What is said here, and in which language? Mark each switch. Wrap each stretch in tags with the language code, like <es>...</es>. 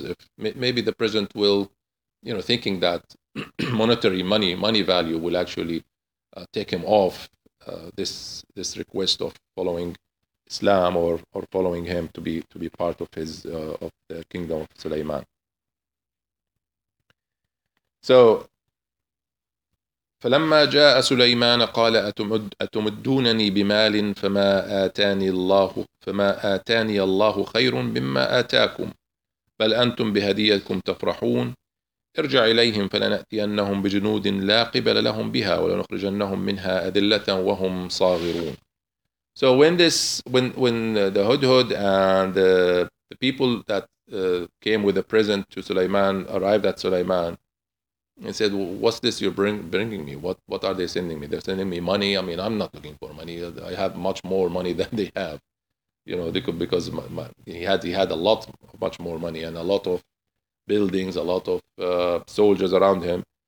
<en>If maybe the present will, thinking that monetary money value will actually take him off this request of following Islam or following him to be part of his of the kingdom of Sulaiman.</en> <ar>So, فلما جاء سليمان قال أتمدونني بمال فما آتاني الله خير مما آتاكم بل أنتم بهديتكم تفرحون ارجع إليهم فلنأتينهم بجنود لا قبل لهم بها ولنخرجنهم منها أذلة وهم صاغرون.</ar> <en>So when the Hudhud and the people that came with a present to Sulaiman arrived at Sulaiman and said, well, what's this you're bringing me? What are they sending me? They're sending me money. I mean, I'm not looking for money. I have much more money than they have. Because he had a lot, much more money and a lot of buildings, a lot of soldiers around him.</en>